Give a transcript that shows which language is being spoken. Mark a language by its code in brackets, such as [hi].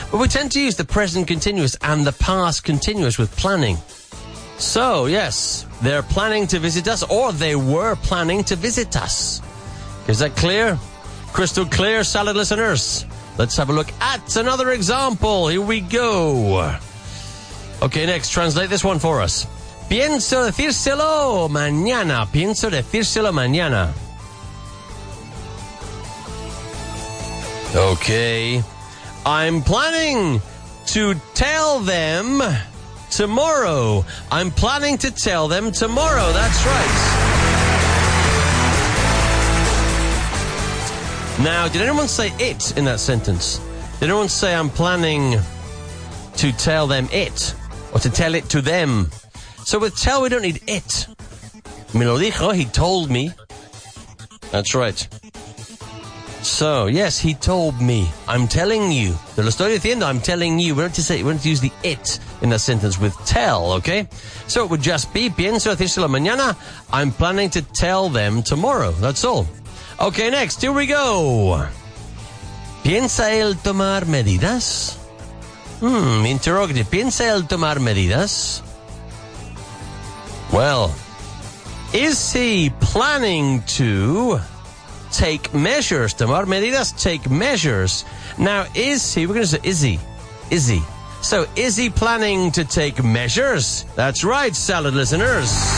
[en] But we tend to use the present continuous and the past continuous with planning. So, yes, they're planning to visit us, or they were planning to visit us. Is that clear? Crystal clear, salad listeners. Let's have a look at another example. Here we go. Okay, next, translate this one for us. [es] Pienso decírselo mañana. Pienso decírselo mañana. [en] Okay. I'm planning to tell them tomorrow. I'm planning to tell them tomorrow. That's right. Now, did anyone say it in that sentence? Did anyone say I'm planning to tell them it? Or to tell it to them? So with tell, we don't need it. [es] Me lo dijo, [en] he told me. That's right. So, yes, he told me. I'm telling you. [es] Te lo estoy diciendo, [en] I'm telling you. We don't use the it in that sentence with tell, okay? So it would just be, [es] pienso decírselo mañana. [en] I'm planning to tell them tomorrow. That's all. Okay, next, here we go. [es] ¿Piensa él tomar medidas? Interrogative. ¿Piensa él tomar medidas? [en] Well, is he planning to take measures? [es] Tomar medidas, [en] take measures. Now, is he? So, is he planning to take measures? That's right, salad listeners.